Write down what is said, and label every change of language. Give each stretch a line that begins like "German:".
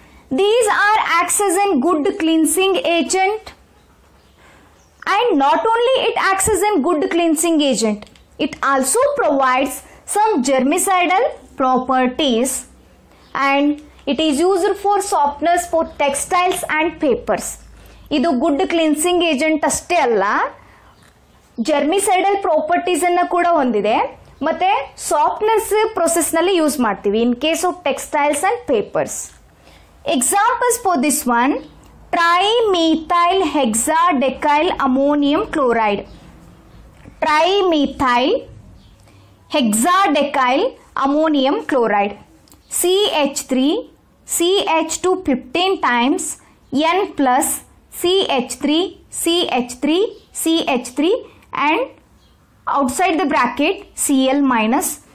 English: These are acts as a good cleansing agent, and not only it acts as a good cleansing agent, it also provides some germicidal properties, and it is used for softeners for textiles and papers.
Kannada: ಇದು good cleansing agent ಅಷ್ಟೇ ಅಲ್ಲ, ಜರ್ಮಿಸೈಡಲ್ properties ಅನ್ನ ಕೂಡ ಹೊಂದಿದೆ, ಮತ್ತೆ softness process ನಲ್ಲಿ use ಮಾಡ್ತೀವಿ
English: In case of textiles and papers. Examples for this one tri methyl hexa decyl ammonium chloride. Tri methyl hexa decyl ammonium chloride CH3 CH2 15 times N plus CH3, CH3, CH3 and outside the bracket Cl minus.